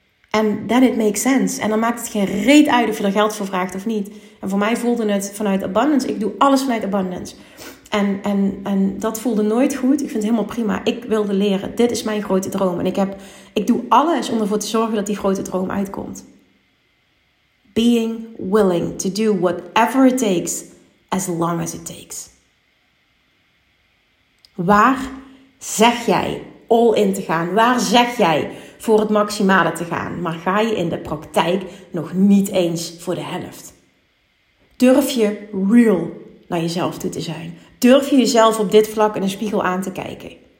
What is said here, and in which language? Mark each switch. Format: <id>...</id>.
<nl>En</nl> <en>then it makes sense.</en> <nl>En dan maakt het geen reet uit of je er geld voor vraagt of niet. En voor mij voelde het vanuit abundance. Ik doe alles vanuit abundance. En dat voelde nooit goed. Ik vind het helemaal prima. Ik wilde leren. Dit is mijn grote droom. En ik doe alles om ervoor te zorgen dat die grote droom uitkomt.</nl> <en>Being willing to do whatever it takes, as long as it takes.</en> <nl>Waar zeg jij all in te gaan? Waar zeg jij voor het maximale te gaan? Maar ga je in de praktijk nog niet eens voor de helft? Durf je real naar jezelf toe te zijn? Durf je jezelf op dit vlak in een spiegel aan te kijken?</nl>